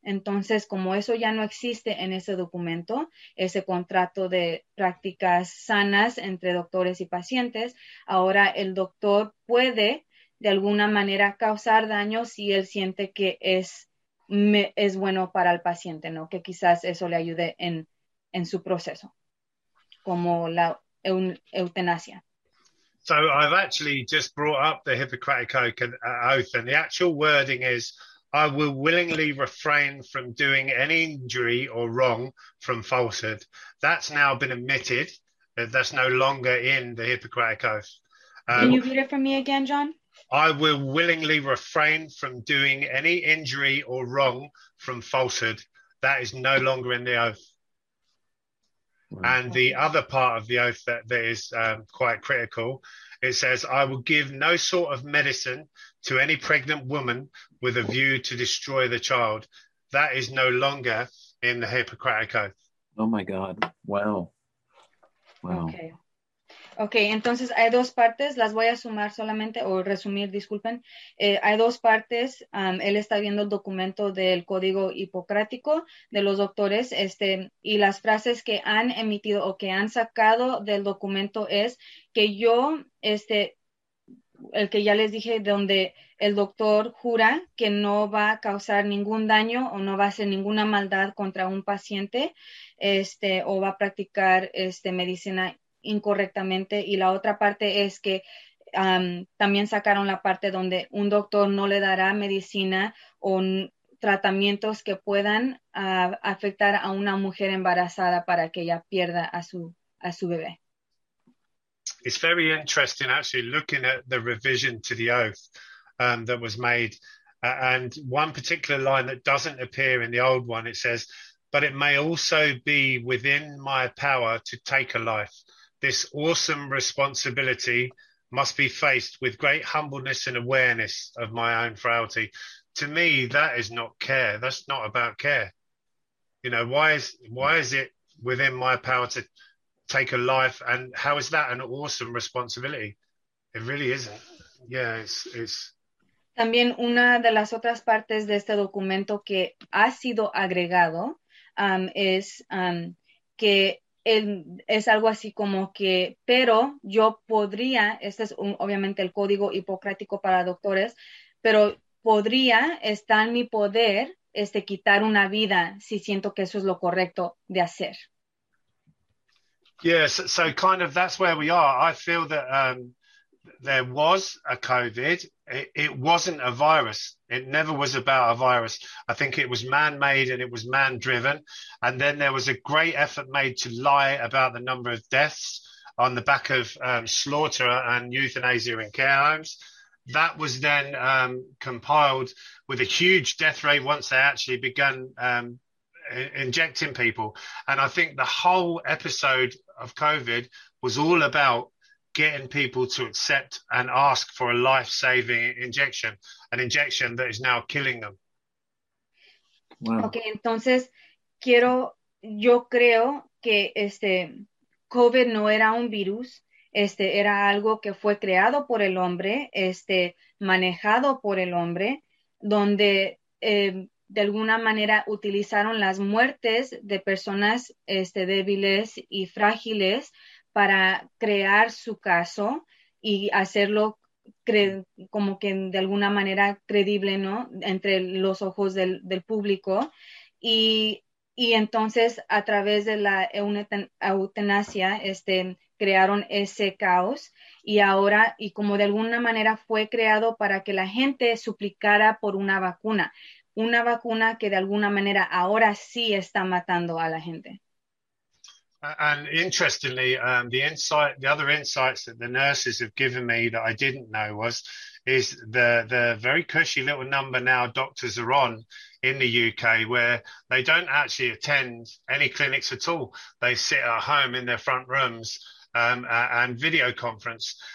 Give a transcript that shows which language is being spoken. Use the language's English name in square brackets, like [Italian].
[Spanish] Entonces, como eso ya no existe en ese documento, ese contrato de prácticas sanas entre doctores y pacientes, ahora el doctor puede de alguna manera causar daño si él siente que es bueno para el paciente, ¿no? Que quizás eso le ayude en su proceso, como la eutanasia. [English] So I've actually just brought up the Hippocratic Oath, and the actual wording is, I will willingly refrain from doing any injury or wrong from falsehood. That's now been admitted. That's no longer in the Hippocratic Oath. Can you read it for me again, John? I will willingly refrain from doing any injury or wrong from falsehood. That is no longer in the oath. And the other part of the oath that is quite critical, it says, I will give no sort of medicine to any pregnant woman with a view to destroy the child. That is no longer in the Hippocratic Oath. Oh, my God. Wow. Okay. [Spanish] Okay, entonces hay dos partes, las voy a sumar solamente o resumir, disculpen. Hay dos partes. Él está viendo el documento del código hipocrático de los doctores, y las frases que han emitido o que han sacado del documento es que yo, el que ya les dije, donde el doctor jura que no va a causar ningún daño o no va a hacer ninguna maldad contra un paciente, o va a practicar, medicina incorrectamente. Y la otra parte es que también sacaron la parte donde un doctor no le dará medicina o tratamientos que puedan afectar a una mujer embarazada para que ella pierda a su bebé. [English] It's very interesting actually looking at the revision to the oath that was made. And one particular line that doesn't appear in the old one, it says, "But it may also be within my power to take a life. This awesome responsibility must be faced with great humbleness and awareness of my own frailty." To me, that is not care. That's not about care. You know, why is it within my power to take a life, and how is that an awesome responsibility? It really isn't. Yeah, it's [Spanish] También una de las otras partes de este documento que ha sido agregado es que es algo así como que, pero yo podría, este es obviamente el código hipocrático para doctores, pero podría estar en mi poder quitar una vida si siento que eso es lo correcto de hacer. [English] Yes, yeah, so kind of that's where we are. I feel that there was a COVID. It wasn't a virus. It never was about a virus. I think it was man-made and it was man-driven. And then there was a great effort made to lie about the number of deaths on the back of slaughter and euthanasia in care homes. That was then compiled with a huge death rate once they actually began injecting people. And I think the whole episode of COVID was all about getting people to accept and ask for a life-saving injection, an injection that is now killing them. [Spanish] Ok, entonces yo creo que COVID no era un virus, era algo que fue creado por el hombre, manejado por el hombre, donde de alguna manera utilizaron las muertes de personas débiles y frágiles para crear su caso y hacerlo como que de alguna manera creíble, ¿no? Entre los ojos del público. Y entonces, a través de la eutanasia, crearon ese caos. Y como de alguna manera fue creado para que la gente suplicara por una vacuna que de alguna manera ahora sí está matando a la gente. [English] And interestingly, the other insights that the nurses have given me that I didn't know is the very cushy little number now doctors are on in the UK where they don't actually attend any clinics at all. They sit at home in their front rooms and video conference.